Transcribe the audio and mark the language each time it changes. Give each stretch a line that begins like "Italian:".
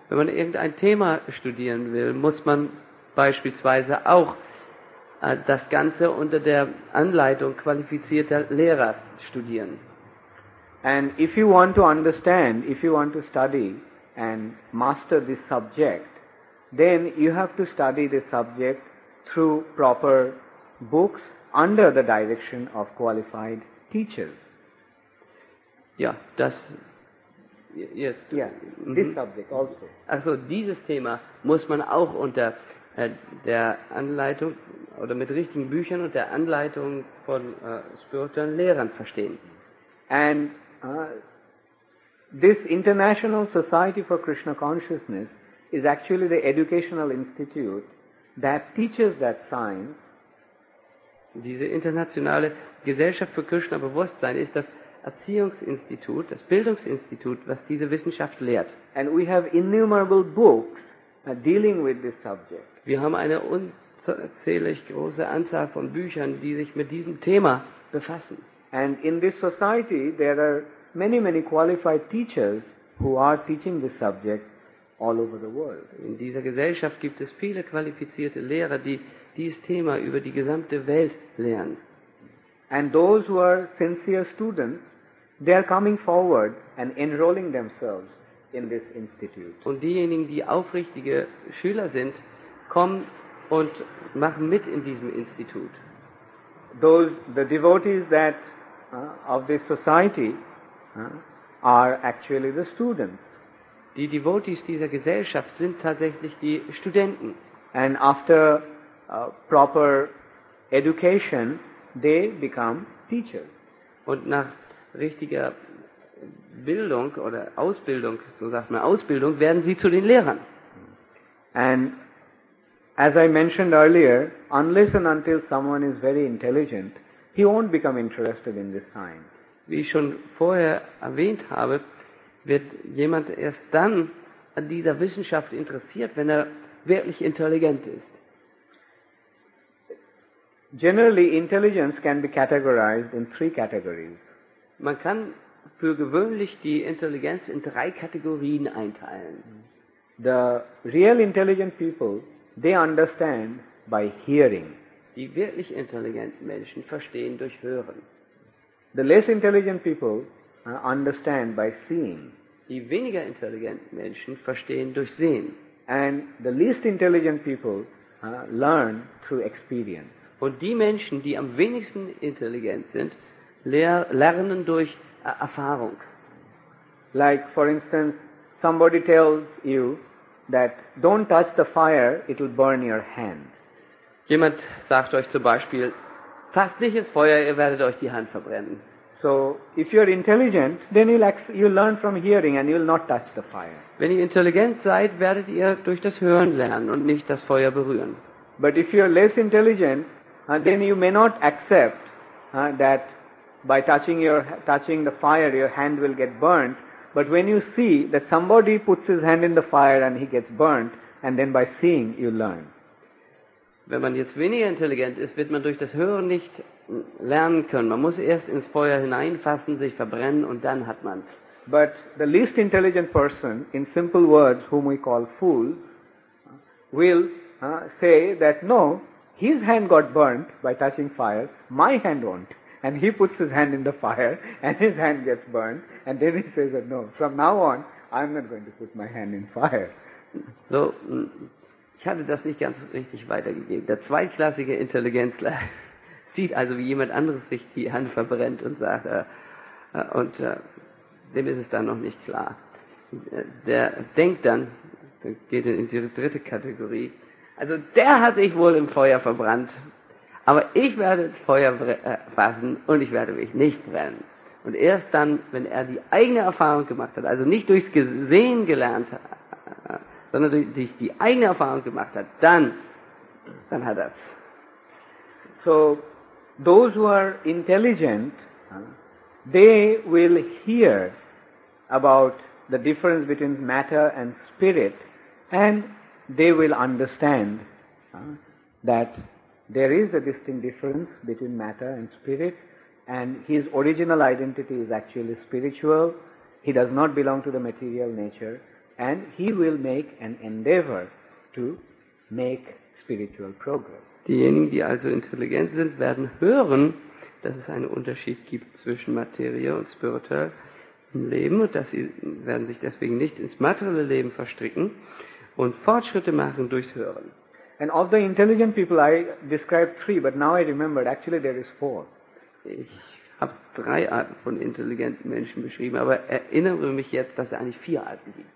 German: Wenn man irgendein Thema studieren will, muss man beispielsweise auch das Ganze unter der Anleitung qualifizierter Lehrer studieren.
English: And if you want to understand, if you want to study and master this subject, then you have to study the subject through proper books under the direction of qualified teachers.
German: Ja, das.
English: Yes. Yeah, this subject also.
German: Also dieses Thema muss man auch unter der Anleitung oder mit richtigen Büchern und der Anleitung von spirituellen Lehrern verstehen.
English: And this International Society for Krishna Consciousness is actually the educational institute that teaches that science.
German: Diese internationale Gesellschaft für Krishna Bewusstsein ist das Erziehungsinstitut, das Bildungsinstitut, was diese Wissenschaft lehrt.
English: And we have innumerable books dealing with this subject.
German: Wir haben eine unzählig große Anzahl von Büchern, die sich mit diesem Thema befassen.
English: And in this society there are many, many qualified teachers who are teaching this subject all over the world.
German: In dieser Gesellschaft gibt es viele qualifizierte Lehrer, die dieses Thema über die gesamte Welt lehren.
English: And those who are sincere students, they are coming forward and enrolling themselves in this institute.
German: Und diejenigen, die aufrichtige Schüler sind, kommen und machen mit in diesem Institut.
English: The devotees that of this society are actually the students.
German: Die Devotees dieser Gesellschaft sind tatsächlich die Studenten.
English: And after proper education, they become teachers.
German: Und nach richtiger Bildung oder Ausbildung, so sagt man Ausbildung, werden sie zu den Lehrern.
English: And as I mentioned earlier, unless and until someone is very intelligent, he won't become interested in this science.
German: Wie ich schon vorher erwähnt habe, wird jemand erst dann an dieser Wissenschaft interessiert, wenn er wirklich intelligent ist.
English: Generally, intelligence can be categorized in three categories.
German: Man kann für gewöhnlich die Intelligenz in drei Kategorien einteilen.
English: The real intelligent people, they understand by hearing.
German: Die wirklich intelligenten Menschen verstehen durch Hören.
English: The less intelligent people understand by seeing.
German: Die weniger intelligenten Menschen verstehen durch Sehen.
English: And the least intelligent people learn through experience.
German: Und die Menschen, die am wenigsten intelligent sind, lernen durch Erfahrung.
English: Like for instance, somebody tells you that don't touch the fire, it'll burn your hand.
German: Jemand sagt euch zum Beispiel, fasst nicht ins Feuer, ihr werdet euch die Hand verbrennen.
English: So if you're intelligent, then you'll learn from hearing and you'll not touch the fire.
German: Wenn ihr intelligent seid, werdet ihr durch das Hören lernen und nicht das Feuer berühren.
English: But if you're less intelligent, then you may not accept that by touching the fire, your hand will get burnt. But when you see that somebody puts his hand in the fire and he gets burnt, and then by seeing, you learn.
German: Wenn man jetzt weniger intelligent ist, wird man durch das Hören nicht lernen können. Man muss erst ins Feuer hineinfassen, sich verbrennen, und dann hat man es.
English: But the least intelligent person, in simple words, whom we call fools, will say that no, his hand got burnt by touching fire, my hand won't. And he puts his hand in the fire and his hand gets burned, and then he says that no, from now on I'm not going to put my hand in fire.
German: So, ich hatte das nicht ganz richtig weitergegeben. Der zweitklassige Intelligenzler sieht also, wie jemand anderes sich die Hand verbrennt und sagt, dem ist es dann noch nicht klar. Der denkt dann, geht in die dritte Kategorie, also der hat sich wohl im Feuer verbrannt. Aber ich werde das Feuer fassen und ich werde mich nicht brennen. Und erst dann, wenn er die eigene Erfahrung gemacht hat, also nicht durchs Gesehen gelernt, sondern durch die eigene Erfahrung gemacht hat, dann hat er's.
English: So, those who are intelligent, they will hear about the difference between matter and spirit, and they will understand that there is a distinct difference between matter and spirit, and his original identity is actually spiritual. He does not belong to the material nature, and he will make an endeavor to make spiritual progress.
German: Diejenigen, die also intelligent sind, werden hören, dass es einen Unterschied gibt zwischen Materie und spirituell im Leben, und dass sie werden sich deswegen nicht ins materielle Leben verstricken und Fortschritte machen durchs Hören.
English: And of the intelligent people, I described three, but now I remembered, actually there is four.
German: Ich habe drei Arten von intelligenten Menschen beschrieben, aber erinnere mich jetzt, dass es eigentlich vier Arten gibt.